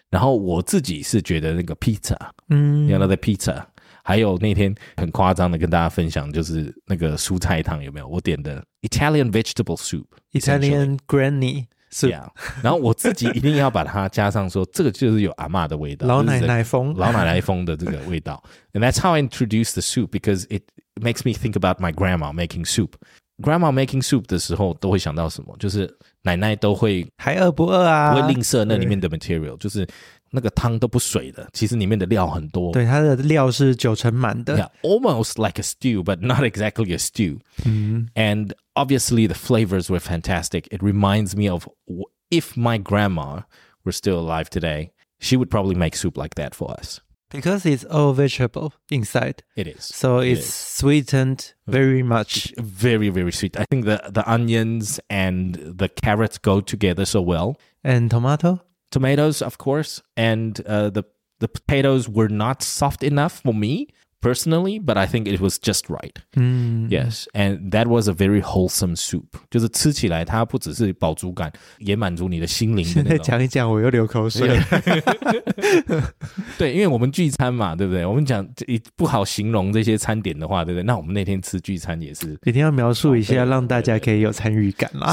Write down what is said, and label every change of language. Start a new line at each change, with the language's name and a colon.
Chinese: 然后我自己是觉得那个 pizza,
English: you know the pizza,
Chinese: 还有那天很夸张的跟大家分享就是那个蔬菜汤有没有我点的
English: Italian vegetable soup. Italian granny soup. Yeah.
Chinese: 然后我自己一定要把它加上说这个就是有阿嬷的味道。老奶奶风。老奶奶风的这个味道。
English: And that's how I introduce the soup because it makes me think about my grandma making soup. Grandma making soup
Chinese: 的时候都会想到什么？就是奶奶都会还饿不饿啊？不会吝啬那里面的 material， 就是那个汤都不水的，其实里面的料很多。对，它的料是九成满的。
English: Yeah, almost like a stew, but not exactly a stew.、And obviously the flavors were fantastic. It reminds me of if my grandma were still alive today, she would probably make soup like that for us. Because it's all vegetable inside. It is. So it's sweetened very much. Very, very sweet. I think the onions and the carrots go together so well. And tomato? Tomatoes, of course. And the potatoes were not soft enough for me personally, but I think it was just right.、Yes. And that was a very wholesome soup.
Chinese: 就是吃起来它不只是饱足感也满足你的心灵的那种。现在讲一讲我又流口水了。对，因为我们聚餐嘛，对不对？我们讲不好形容这些餐点的话，对不对？那我们那天吃聚餐也是一定要描述一下，让大家可以有参与感啦。